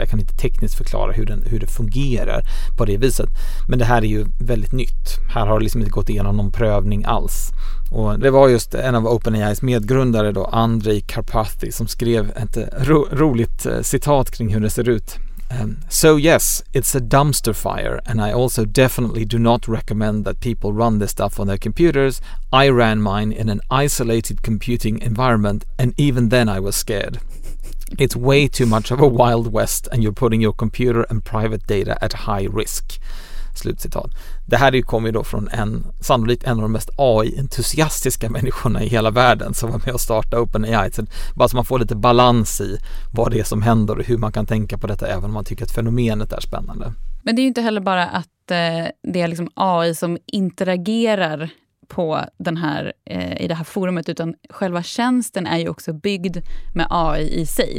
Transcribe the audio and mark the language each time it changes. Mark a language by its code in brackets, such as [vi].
[sv] Jag kan inte tekniskt förklara hur det fungerar på det viset. Men det här är ju väldigt nytt. Här har det liksom inte gått igenom någon prövning alls. Och det var just en av OpenAI:s medgrundare då, Andrei Karpathy, som skrev ett roligt citat kring hur det ser ut. [en] So yes, it's a dumpster fire, and I also definitely do not recommend that people run this stuff on their computers. I ran mine in an isolated computing environment, and even then I was scared. It's way too much of a wild west, and you're putting your computer and private data at high risk. [sv] Slutcitat. Det här kommer då från en, sannolikt en av de mest AI-entusiastiska människorna i hela världen som var med och startade OpenAI. Så bara så man får lite balans i vad det är som händer och hur man kan tänka på detta, även om man tycker att fenomenet är spännande. Men det är ju inte heller bara att det är liksom AI som interagerar på den här, i det här forumet, utan själva tjänsten är ju också byggd med AI i sig.